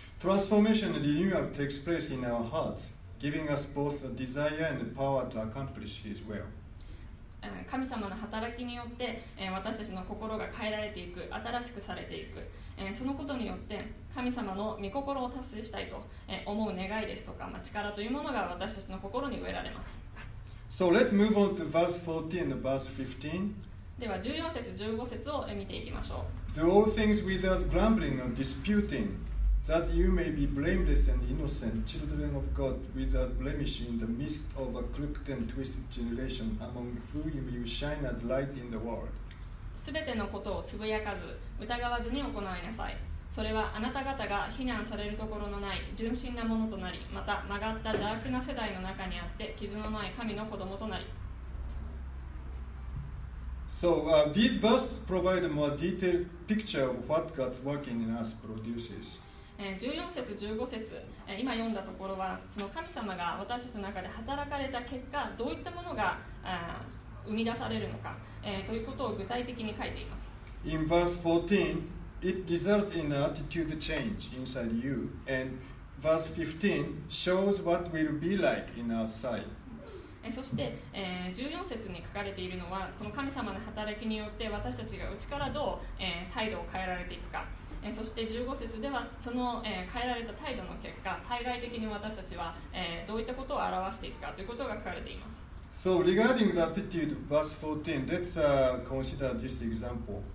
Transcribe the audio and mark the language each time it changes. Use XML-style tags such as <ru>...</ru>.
<en>Transformation and renewal takes place in our hearts, giving us both the desire and the power to accomplish His will.</en> <ja>神様の働きによって私たちの心が変えられていく、新しくされていく。そのことによって神様の御心を達成したいと思う願いですとか、力というものが私たちの心に植えられます。</ja> <en>So let's move on to verse 14 and verse 15.</en> <ja>では14節、15節を見ていきましょう。</ja> <en>Do all things without grumbling or disputing. That you may be blameless and innocent, children of God, without blemish in the midst of a crooked and twisted generation, among whom you shine as lights in the world.</en> <ja>すべてのことをつぶやかず、疑わずに行いなさい。それはあなた方が非難されるところのない純真なものとなり、また曲がった邪悪な世代の中にあって傷のない神の子供となり。</ja> <en>So, these verses provide a more detailed picture of what God's working in us produces.</en> <ja>14節15節、今読んだところはその神様が私たちの中で働かれた結果どういったものが生み出されるのか、ということを具体的に書いています。</ja> <en>In verse 14 it results in an attitude change inside you and verse 15 shows what will be like in outside。</en> <ja>そして、14節に書かれているのはこの神様の働きによって私たちが内からどう、態度を変えられていくか。そして15節ではその変えられた態度の結果、対外的に私たちはどういったことを表していくかということが書かれています。</ja> <en>So regarding the attitude of verse 14, let's consider this example.</en>